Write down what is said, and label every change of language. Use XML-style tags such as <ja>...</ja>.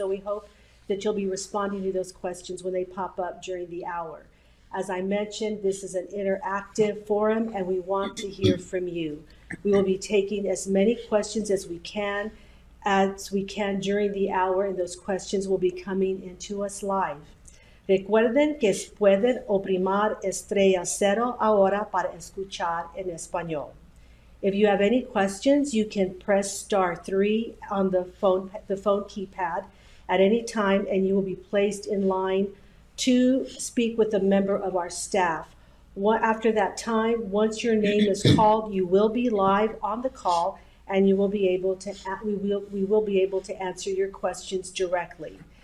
<en>So we hope that you'll be responding to those questions when they pop up during the hour. As I mentioned, this is an interactive forum, and we want to hear from you. We will be taking as many questions as we can during the hour, and those questions will be coming into us live.</en> <es>Recuerden que pueden oprimar estrella cero ahora para escuchar en español.</es> <en>If you have any questions, you can press star 3 on the phone keypad at any time, and you will be placed in line to speak with a member of our staff. After that time, once your name is called, you will be live on the call, and we will be able to answer your questions directly.</en>